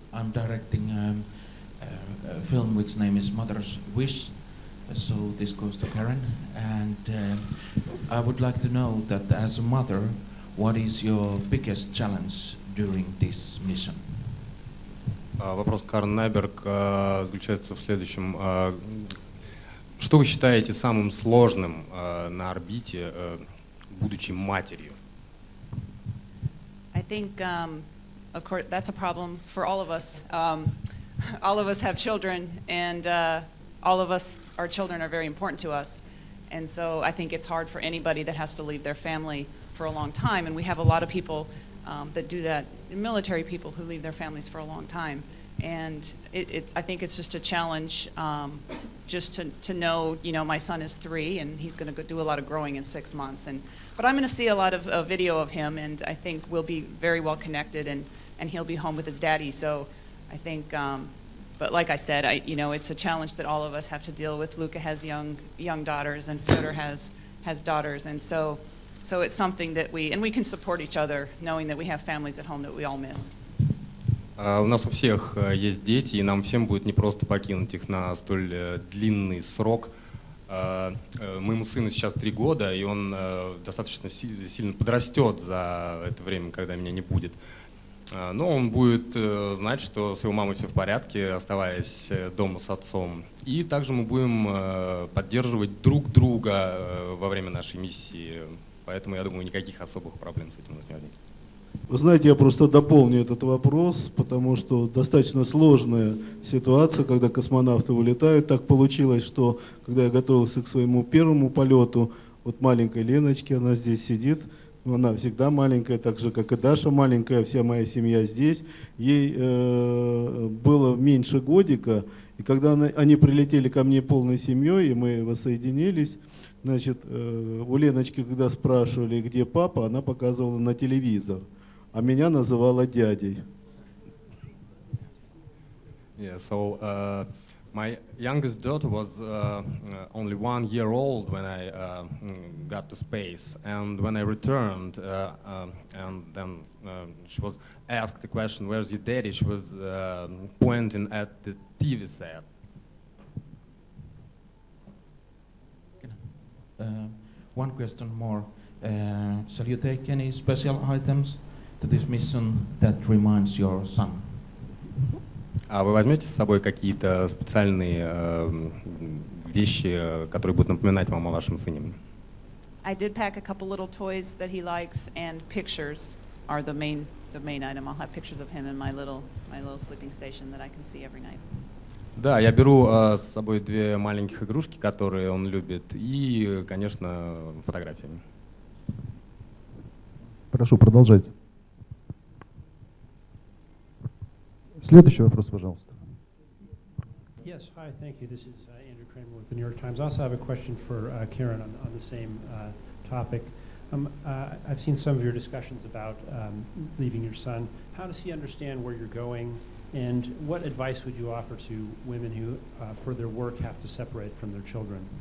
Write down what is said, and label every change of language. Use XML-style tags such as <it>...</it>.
<en>I'm directing a film which name is Mother's Wish, so this goes to Karen, and I would like to know that as a mother, what is your biggest challenge during this mission?</en> <ru>Вопрос Карен Найберг заключается в следующем. Что вы считаете самым сложным на орбите, будучи матерью?</ru> <en>I think, of course, that's a problem for all of us. All of us have children, and all of us, our children are very important to us. And so I think it's hard for anybody that has to leave their family for a long time. And we have a lot of people that do that, military people who leave their families for a long time. And I think it's just a challenge just to know, you know, my son is 3, and he's going to do a lot of growing in 6 months. But I'm going to see a lot of video of him, and I think we'll be very well connected, and he'll be home with his daddy. So I think But like I said, it's a challenge that all of us have to deal with. Luca has young daughters, and Fyodor has daughters, and so it's something that we can support each other, knowing that we have families at home that we all miss.</en> <ru>У нас у всех есть дети, и нам всем будет непросто покинуть их на столь длинный срок. Моему сыну сейчас 3 года, и он достаточно сильно подрастет за это время, когда меня не будет. Но он будет знать, что с его мамой все в порядке, оставаясь дома с отцом. И также мы будем поддерживать друг друга во время нашей миссии. Поэтому, я думаю, никаких особых проблем с этим у нас не возникнет. Вы знаете, я просто дополню этот вопрос, потому что достаточно сложная ситуация, когда космонавты вылетают. Так получилось, что когда я готовился к своему первому полету, вот маленькой Леночке, она здесь сидит, она всегда маленькая, так же, как и Даша маленькая, вся моя семья здесь. Ей было меньше годика, и когда они прилетели ко мне полной семьей, и мы воссоединились, значит, у Леночки, когда спрашивали, где папа, она показывала на телевизор. А меня называла дядей.</ru> <en>Yeah, so my youngest daughter was only 1 year old when I got to space, and when I returned, and then she was asked the question, "Where's your daddy?" She was pointing at the TV set. One question more. Shall you take any special items to this mission that reminds your son?</en> <ru>А вы возьмете с собой какие-то специальные вещи, которые будут напоминать вам о вашем сыне?</ru> <en>I did pack a couple little toys that he likes, and pictures are the main item. I'll have pictures of him in my little sleeping station that I can see every night.</en> <ru>Да, я беру с собой 2 маленьких игрушки, которые он любит, и, конечно, фотографии. Прошу продолжать. Следующий вопрос, пожалуйста.</ru> <en>Yes, hi, thank you. This is Andrew Kramer with the New York Times. I also have a question for Karen on the same topic. I've seen some of your discussions about leaving your son. How does he understand where you're going, and what advice would you offer to women who, for their work, have to separate from their children?</en>